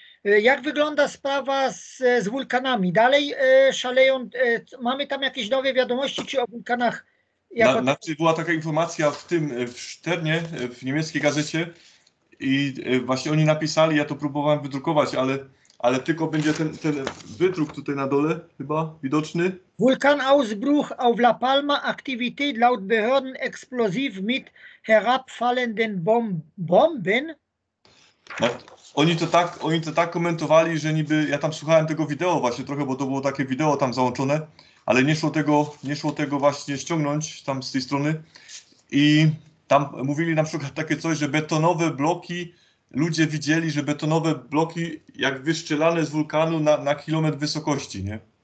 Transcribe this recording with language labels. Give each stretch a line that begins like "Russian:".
Polish: Jak wygląda sprawa z wulkanami? Dalej szaleją, mamy tam jakieś nowe wiadomości, czy o wulkanach? Znaczy była taka informacja w tym, w Szternie, w niemieckiej gazecie. I właśnie oni napisali, ja to próbowałem wydrukować, ale tylko będzie ten wydruk tutaj na dole chyba widoczny.
German: Vulkan Ausbruch auf La Palma Aktivität laut Behörden explosiv mit herabfallenden Bomben.
Polish: Oni to tak komentowali, że niby ja tam słuchałem tego wideo właśnie trochę, bo to było takie wideo tam załączone, ale nie szło tego właśnie ściągnąć tam z tej strony. I tam mówili na przykład takie coś, że betonowe bloki, ludzie widzieli, że betonowe bloki jak wystrzelane z wulkanu na kilometr wysokości, nie?